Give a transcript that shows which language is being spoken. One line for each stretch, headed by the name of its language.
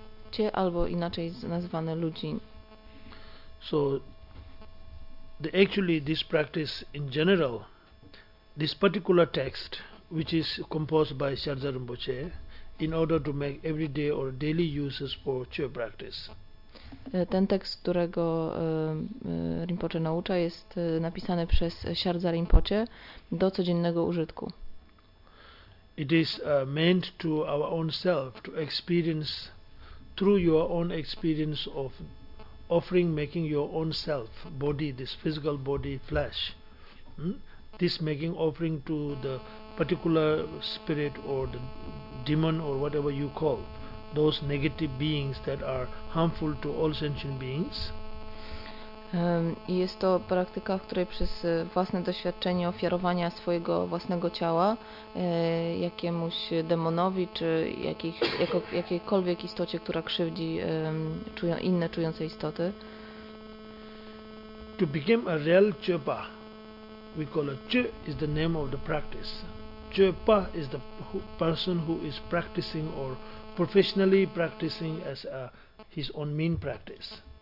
Polish: Chö albo inaczej nazwane lujin.
English: So, actually this practice in general, this particular text, which is composed by Sherpa Rinpoche, in order to make everyday or daily uses for chö practice.
Polish: Ten tekst, którego Rinpoche naucza, jest napisany przez Sherpa Rinpoche do codziennego użytku.
English: It is meant to our own self to experience through your own experience of offering, making your own self body, this physical body, flesh. This making offering to the particular spirit or the demon or whatever you call those negative beings that are harmful to all sentient beings.
Polish: Jest to praktyka, w której przez własne doświadczenie ofiarowania swojego własnego ciała jakiemuś demonowi czy jakiejkolwiek istocie, która krzywdzi inne czujące istoty.
English: To become a real Chöpa, we call it Chö is the name of the practice. Chöpa is the person who is practicing or professionally practicing as his own main practice.